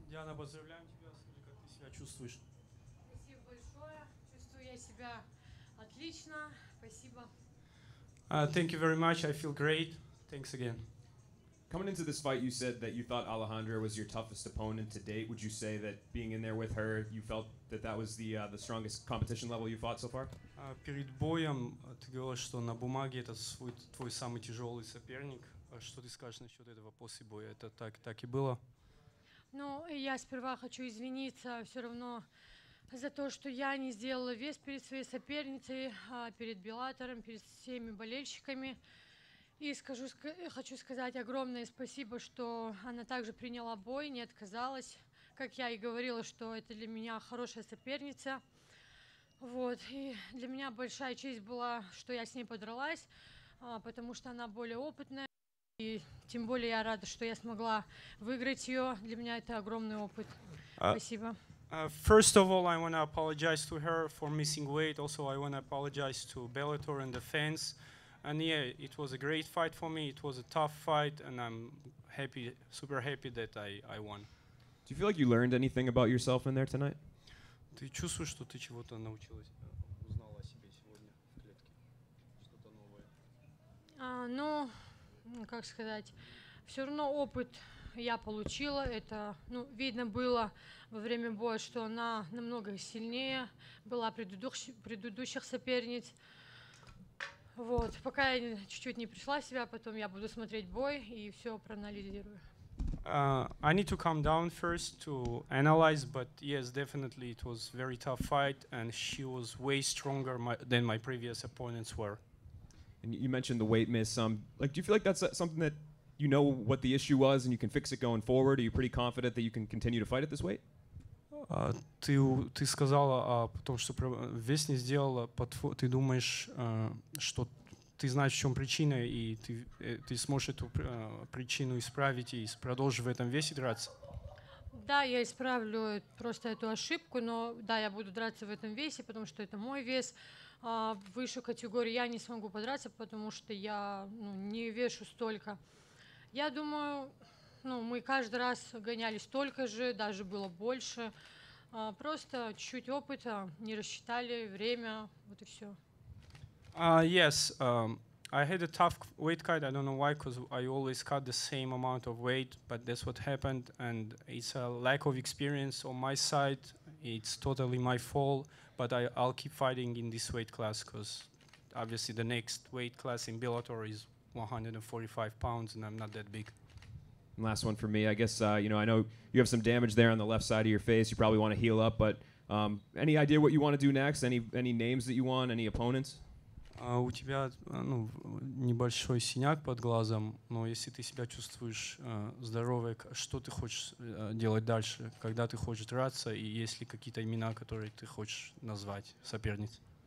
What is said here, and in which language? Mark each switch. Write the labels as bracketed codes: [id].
[ru] Диана, поздравляем тебя. Скажи, как ты себя чувствуешь? Спасибо большое. Чувствую я себя отлично. Спасибо. [en] Thank you very much. I feel great. Thanks again. Coming into this fight, you said that you thought Alejandra was your toughest opponent to date. Would you say that being in there with her, you felt that that was the strongest competition level you fought so far? [ru] Перед боем ты говорила, что на бумаге это твой самый тяжелый соперник. Что ты скажешь насчет этого после боя? Это так и было? Ну, я сперва хочу извиниться все равно за то, что я не сделала вес перед своей соперницей, перед Беллатором, перед всеми болельщиками. И хочу сказать огромное спасибо, что она также приняла бой, не отказалась. Как я и говорила, что это для меня хорошая соперница. Вот. И для меня большая честь была, что я с ней подралась, потому что она более опытная. И тем более я рада, что я смогла выиграть ее. Для меня это огромный опыт. Спасибо. [en] First of all, I want to apologize to her for missing weight. Also, I want to apologize to Bellator and the fans. And yeah, it was a great fight for me. It was a tough fight, and I'm happy, super happy that I won. Do you feel like you learned anything about yourself in there tonight? [ru] Ты чувствуешь, что ты чего-то научилась, узнала о себе сегодня в клетке, что-то новое? Ну, как сказать, все равно опыт я получила. Это, ну, видно было во время боя, что она намного сильнее была предыдущих соперниц. Вот, пока я чуть-чуть не пришла в себя, потом я буду смотреть бой и все проанализирую. [en] I need to calm down first to analyze, but yes, definitely it was very tough fight, and she was way stronger than my previous opponents were. And you mentioned the weight miss. Like, do you feel like that's something that you know what the issue was and you can fix it going forward? Are you pretty confident that you can continue to fight at this weight? [ru] Ты сказала о том, что вес не сделала, ты думаешь, что ты знаешь, в чем причина, и ты сможешь эту причину исправить и продолжишь в этом весе драться? Да, я исправлю просто эту ошибку, но да, я буду драться в этом весе, потому что это мой вес. Выше категории я не смогу подраться, потому что я не вешу столько. Я думаю, мы каждый раз гоняли столько же, даже было больше. Просто чуть-чуть опыта, не рассчитали время, вот и все. [en] Yes, I had a tough weight cut. I don't know why, because I always cut the same amount of weight, but that's what happened, and it's a lack of experience on my side. It's totally my fault, but I'll keep fighting in this weight class, because obviously the next weight class in Bellator is 145 pounds, and I'm not that big. And last one for me. I guess, I know you have some damage there on the left side of your face. You probably want to heal up, but any idea what you want to do next? Any names that you want? Any opponents? [ru] У тебя небольшой синяк под глазом, но если ты себя чувствуешь здоровой, что ты хочешь делать дальше? Когда ты хочешь драться? И есть ли какие-то имена, которые ты хочешь назвать соперниц?